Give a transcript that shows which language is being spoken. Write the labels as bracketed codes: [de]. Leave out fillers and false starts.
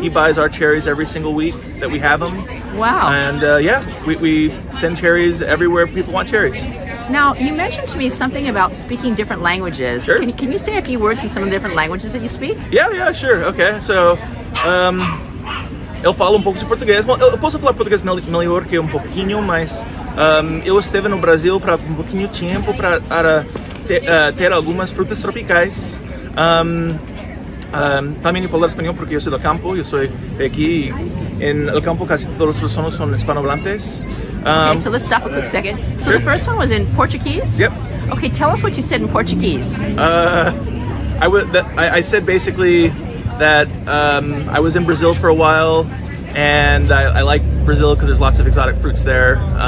[en] He buys our cherries every single week that we have them. Wow. And we send cherries everywhere people want cherries. Now, you mentioned to me something about speaking different languages. Sure. Can you say a few words in some of the different languages that you speak? Yeah, sure. Okay, so, [pt] eu falo pouco de português. Bom, eu posso falar português melhor que pouquinho, mas eu esteve no Brasil para pouquinho tempo para ter algumas frutas tropicais. Também eu falo espanhol porque eu sou do campo, eu sou aqui em [es] el campo, casi todos [pt] os pessoas são hispanohablantes. [en] Okay, so let's stop a quick second. So the first one was in Portuguese? Yep. Okay, tell us what you said in Portuguese. I said basically that I was in Brazil for a while, and I like Brazil because there's lots of exotic fruits there.